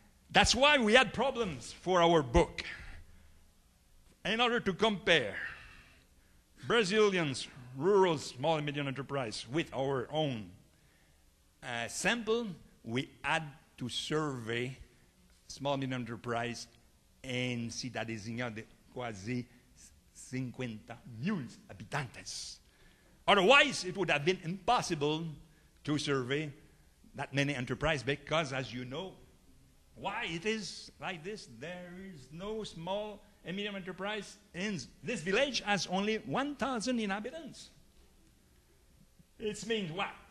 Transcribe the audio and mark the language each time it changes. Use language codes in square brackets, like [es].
[en] That's why we had problems for our book. In order to compare Brazilians' rural small and medium enterprise with our own sample, we had to survey small medium enterprise [pt] em cidadezinha de quase 50 mil habitantes. [en] Otherwise, it would have been impossible to survey that many enterprises because, as you know, why it is like this, there is no small and medium enterprise in this village has only 1,000 inhabitants. It means what?